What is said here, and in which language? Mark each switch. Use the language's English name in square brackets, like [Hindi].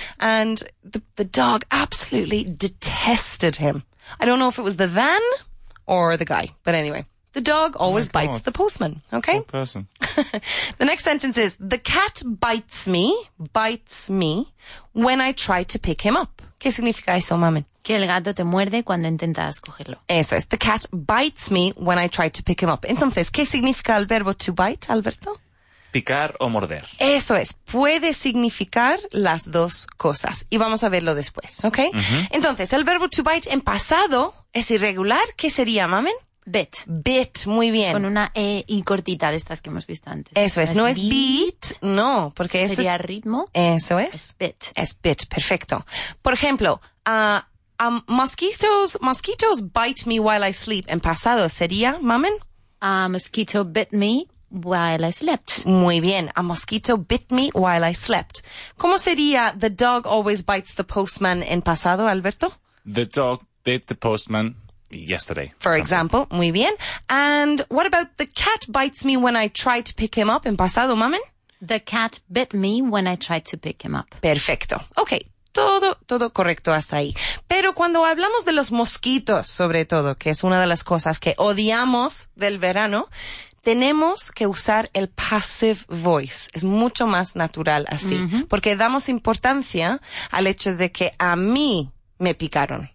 [English] And the dog absolutely detested him. I don't know if it was the van or the guy. But anyway, the dog always bites the postman. Okay? Poor person. The next sentence is, the cat bites me when I try to pick him up. [Spanish] ¿Qué significa eso, mami? Que el gato te muerde cuando intentas cogerlo. Eso es. [English] The cat bites me when I try to pick him up. [Spanish] Entonces, ¿qué significa el verbo to bite, Alberto? Picar o morder. Eso es. Puede significar las dos cosas. Y vamos a verlo después, ¿ok? Entonces, el verbo to bite en pasado es irregular. ¿Qué sería, mamen? [English] Bit. [Spanish] Bit, muy bien. Con una E y cortita de estas que hemos visto antes. Eso es. No es beat, no. Porque eso sería es, ritmo. Eso es. Es bit. Es bit, perfecto. Por ejemplo, [English] mosquitoes bite me while I sleep. [Spanish] En pasado sería, mamen. [English] A mosquito bit me while I slept. [Spanish] Muy bien. [English] A mosquito bit me while I slept. [Spanish] ¿Cómo sería [English] the dog always bites the postman [Spanish] en pasado, [English] Alberto? The dog bit the postman yesterday. For example. [Spanish] Muy bien. [English] And what about the cat bites me when I try to pick him up? [Spanish] En pasado, mamen. [English] The cat bit me when I tried to pick him up. [Spanish] Perfecto. Okay. Todo correcto hasta ahí. Pero cuando hablamos de los mosquitos, sobre todo, que es una de las cosas que odiamos del verano, tenemos que usar el passive voice. Es mucho más natural así. Mm-hmm. Porque damos importancia al hecho de que a mí me picaron.